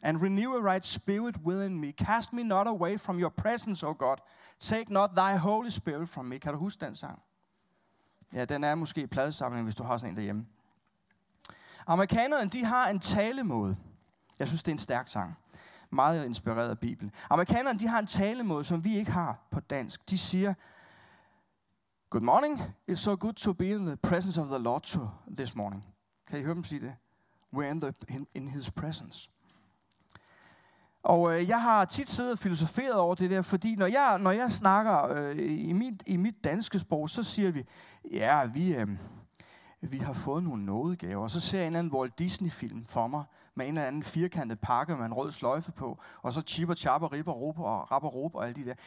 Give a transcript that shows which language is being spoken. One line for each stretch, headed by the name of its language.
English: And renew a right spirit within me. Cast me not away from your presence, O God. Take not thy holy spirit from me.
Danish: Kan du huske den sang? Ja, den er måske i pladesamlingen, hvis du har sådan en derhjemme. Amerikanerne, de har en talemåde. Jeg synes, det er en stærk sang. Meget inspireret af Bibelen. Amerikanerne, de har en talemåde, som vi ikke har på dansk. De siger,
English: good morning, it's so good to be in the presence of the Lord this morning.
Danish: Kan I høre dem sige det?
English: We're in his presence.
Danish: Og jeg har tit siddet og filosoferet over det der, fordi når jeg snakker i mit danske sprog, så siger vi, ja, vi har fået nogle nådegaver. Og så ser jeg en eller anden Walt Disney-film for mig, med en eller anden firkantet pakke med en rød sløjfe på, og så chipper, chapper, ribber, råber og rapper, råber og alle de der.